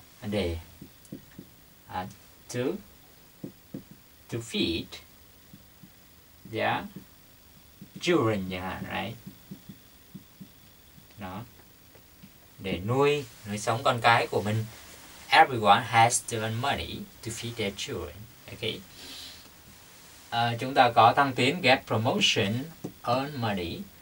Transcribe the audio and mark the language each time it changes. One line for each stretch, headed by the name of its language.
English: Để to feed their children, right?
Vietnamese: Đó. Để nuôi sống con cái của mình.
English: Everyone has to earn money to feed their children. Okay.
Vietnamese: Chúng ta có thăng tiến,
English: get promotion, earn money.